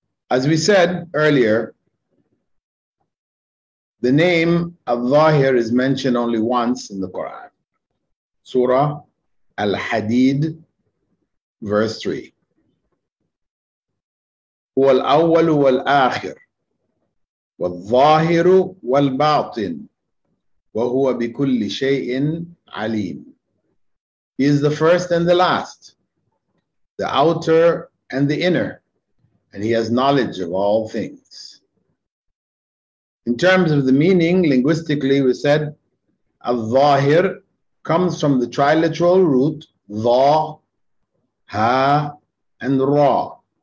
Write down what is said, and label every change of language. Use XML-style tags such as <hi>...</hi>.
<en>As we said earlier, The name Al-Dhahir is mentioned only once in the Quran, Surah Al-Hadid, verse 3.</en> <ar>والأول والآخر والظاهر والباطن وهو بكل شيء عليم.</ar> <en>He is the first and the last, the outer and the inner, and he has knowledge of all things. In terms of the meaning, linguistically we said al-zahir comes from the triliteral root dha, ha, and ra.</en>